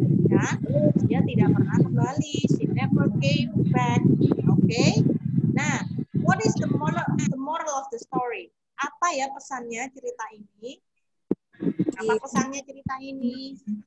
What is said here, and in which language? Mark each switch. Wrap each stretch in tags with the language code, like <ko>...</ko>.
<id>Ya, dia tidak pernah kembali.</id> <en>She never came back. Okay. Nah, what is the moral of the story?</en> <id>Apa ya pesannya cerita ini? Apa pesannya cerita ini?</id>